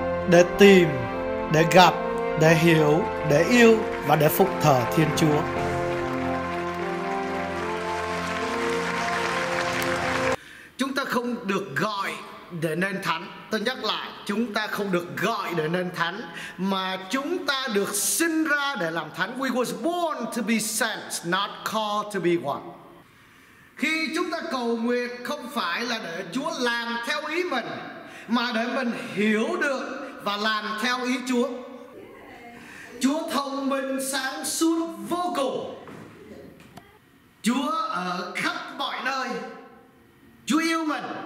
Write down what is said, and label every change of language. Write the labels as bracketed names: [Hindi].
[Vietnamese] để tìm, để gặp, để hiểu, để yêu và để phục thờ Thiên Chúa. Chúng ta không được gọi để nên thánh. Tôi nhắc lại, chúng ta không được gọi để nên thánh, mà chúng ta được sinh ra để làm thánh. [English] We was born to be sent, not called to be one. [Vietnamese] Khi chúng ta cầu nguyện không phải là để Chúa làm theo ý mình, mà để mình hiểu được và làm theo ý Chúa. Chúa thông minh sáng suốt vô cùng. Chúa ở khắp mọi nơi. Chúa yêu mình.